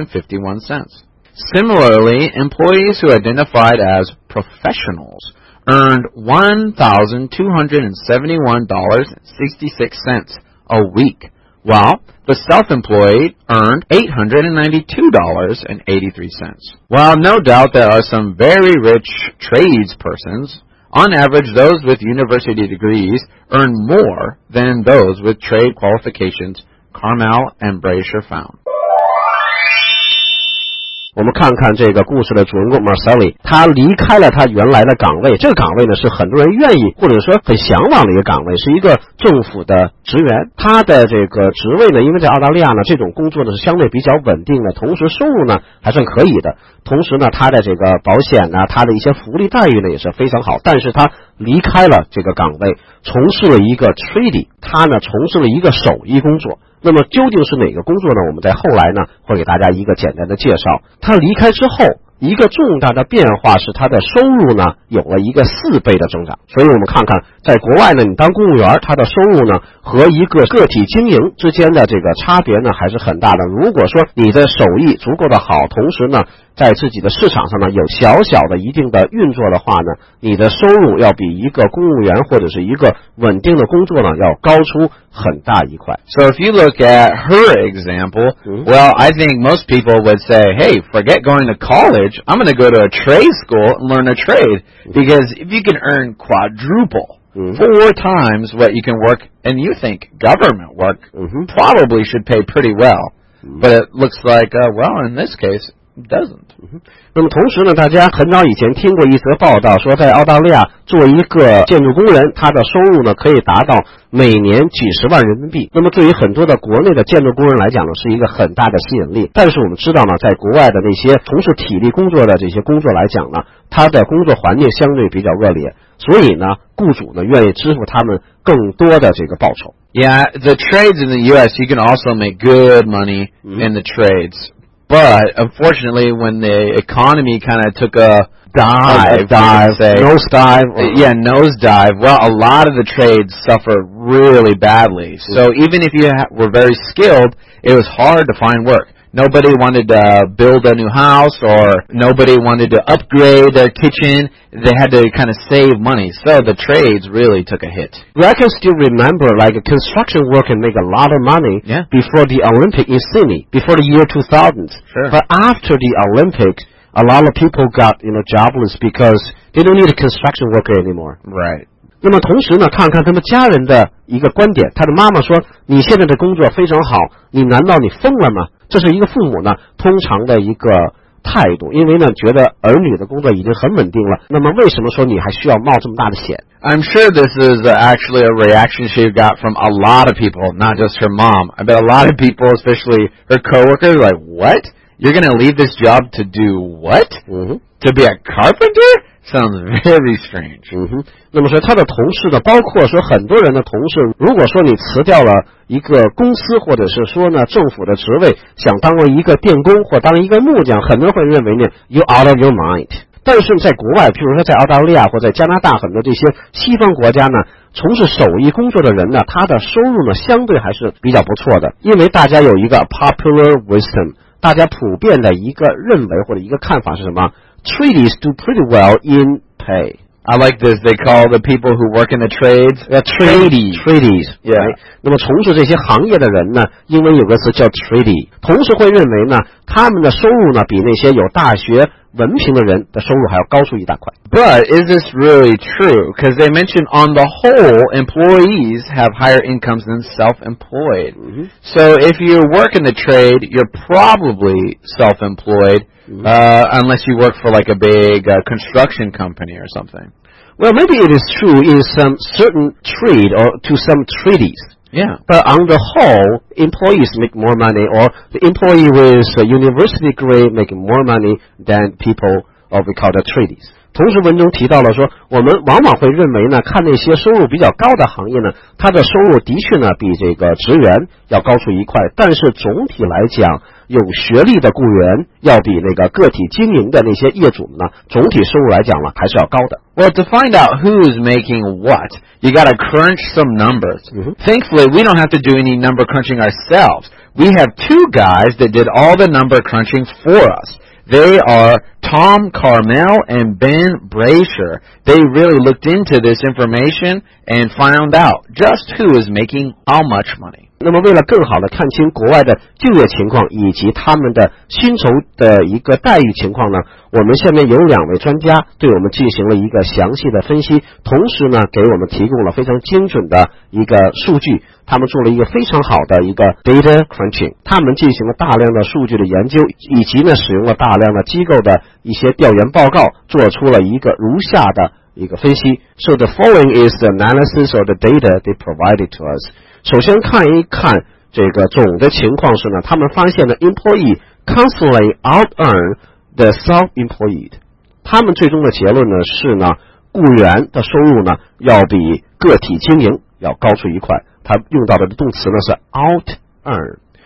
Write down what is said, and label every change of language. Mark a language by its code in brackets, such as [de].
[en] Similarly, employees who identified as professionals earned $1,271.66 a week, while the self-employed earned $892.83. While no doubt there are some very rich tradespersons, on average those with university degrees earn more than those with trade qualifications, Carmel and Brasher found. [zh] 我们看看这个故事的主人公 Marcelli， 他离开了他原来的岗位，这个岗位呢是很多人愿意或者说很向往的一个岗位，是一个政府的职员。他的这个职位呢，因为在澳大利亚呢这种工作呢是相对比较稳定的，同时收入呢还算可以的，同时呢他的这个保险呢，他的一些福利待遇呢也是非常好，但是他离开了这个岗位，从事了一个 trading， 他呢从事了一个手艺工作。那么究竟是哪个工作呢？我们在后来呢会给大家一个简单的介绍。他离开之后，一个重大的变化是他的收入呢有了一个四倍的增长。所以我们看看在国外呢，你当公务员他的收入呢和一个个体经营之间的这个差别呢还是很大的。如果说你的手艺足够的好，同时呢在自己的市场上呢有小小的一定的运作的话呢，你的收入要比一个公务员或者是一个稳定的工作呢要高出很大一块。 [en] So if you look at her example, well, I think most people would say, hey, forget going to college, I'm going to go to a trade school and learn a trade, because if you can earn quadruple, four times what you can work, and you think government work probably should pay pretty well, but it looks like, well, in this case,doesn't. [zh] 那么同时呢，大家很早以前听过一则报道，说在澳大利亚做一个建筑工人，他的收入呢可以达到每年几十万人民币。那么对于很多的国内的建筑工人来讲呢，是一个很大的吸引力。但是我们知道呢，在国外的那些从事体力工作的这些工作来讲呢，他的工作环境相对比较恶劣，所以呢，雇主呢愿意支付他们更多的这个报酬。 [en] Yeah, the trades in the U.S. you can also make good money in the trades. But unfortunately, when the economy kind of took a nosedive, well, a lot of the trades suffer really badly. So even if you were very skilled, it was hard to find work. Nobody wanted to build a new house or nobody wanted to upgrade their kitchen. They had to kind of save money. So the trades really took a hit. Well, I can still remember like a construction worker make a lot of money before the Olympics in Sydney, before the year 2000. Sure. But after the Olympics, a lot of people got, you know, jobless because they don't need a construction worker anymore. Right. [zh] 那么同时呢，看看他们家人的一个观点。他的妈妈说，你现在的工作非常好，你难道你疯了吗？这是一个父母呢通常的一个态度，因为呢觉得儿女的工作已经很稳定了，那么为什么说你还需要冒这么大的险？ [en] I'm sure this is actually a reaction she got from a lot of people, not just her mom. I bet a lot of people, especially her coworkers, are like, what? You're going to leave this job to do what? To be a carpenter? Sounds very strange. [zh] 那么说他的同事呢，包括说很多人的同事，如果说你辞掉了一个公司或者是说呢政府的职位，想当了一个电工或当一个木匠，很多人会认为呢 [en] you out of your mind。 [zh] 但是在国外，譬如说在澳大利亚或在加拿大，很多这些西方国家呢，从事手艺工作的人呢，他的收入呢相对还是比较不错的，因为大家有一个 [en] popular wisdom， [zh] 大家普遍的一个认为或者一个看法是什么？ [en] Trades do pretty well in pay. I like this. They call the people who work in the trades tradies. Tradies. Yeah. [zh] 那么从事这些行业的人呢，英文有个词叫 tradie， 同时会认为呢，他们的收入呢比那些有大学文凭的人的收入还要高出一大块。 [en] But is this really true? Because they mentioned on the whole, employees have higher incomes than self-employed. So if you work in the trade, you're probably self-employed. Unless you work for like a big construction company or something. Well, maybe it is true in some certain trade or to some treaties. Yeah. But on the whole, employees make more money, or the employee with a university degree make more money than people or we call the treaties. [zh] 同时文中提到了说，我们往往会认为呢，看那些收入比较高的行业呢，它的收入的确呢比这个职员要高出一块，但是总体来讲，有学历的雇员要比那个个体经营的那些业主呢，总体收入来讲呢还是要高的。 [en] Well, to find out who's making what, you gotta crunch some numbers. Thankfully, we don't have to do any number crunching ourselves. We have two guys that did all the number crunching for us. They are Tom Carmel and Ben Brasher. They really looked into this information and found out just who is making how much money. [zh] 那么为了更好的看清国外的就业情况以及他们的薪酬的一个待遇情况呢，我们下面有两位专家对我们进行了一个详细的分析，同时呢给我们提供了非常精准的一个数据，他们做了一个非常好的一个 [en] data crunching， [zh] 他们进行了大量的数据的研究，以及呢使用了大量的机构的一些调研报告，做出了一个如下的一个分析。 [en] So the following is the analysis of the data they provided to us。 [zh] 首先看一看这个总的情况是呢，他们发现的 [en] employee constantly out earn the self-employed， [zh] 他们最终的结论呢是呢，雇员的收入呢要比个体经营要高出一块，他用到的动词呢是 [en] out earn。